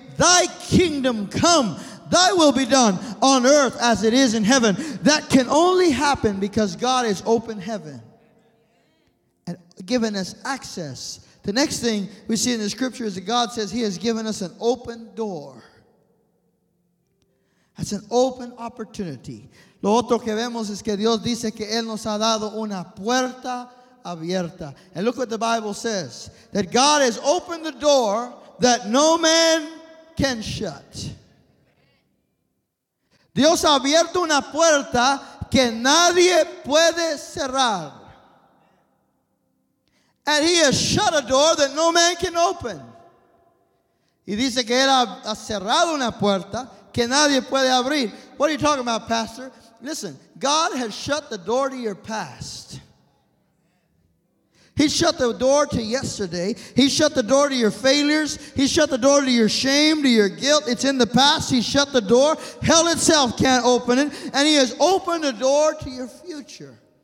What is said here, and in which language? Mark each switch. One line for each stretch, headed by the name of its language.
English: Thy kingdom come. Thy will be done on earth as it is in heaven. That can only happen because God has opened heaven and given us access. The next thing we see in the scripture is that God says He has given us an open door. It's an open opportunity.
Spanish: Lo otro que vemos es que Dios dice que Él nos ha dado una puerta abierta.
English: And look what the Bible says. That God has opened the door that no man can shut.
Spanish: Dios ha abierto una puerta que nadie puede cerrar.
English: And He has shut a door that no man can open.
Spanish: Y dice que Él ha cerrado una puerta que nadie puede abrir.
English: What are you talking about, Pastor? Listen, God has shut the door to your past. He shut the door to yesterday. He shut the door to your failures. He shut the door to your shame, to your guilt. It's in the past. He shut the door. Hell itself can't open it. And He has opened the door to your future.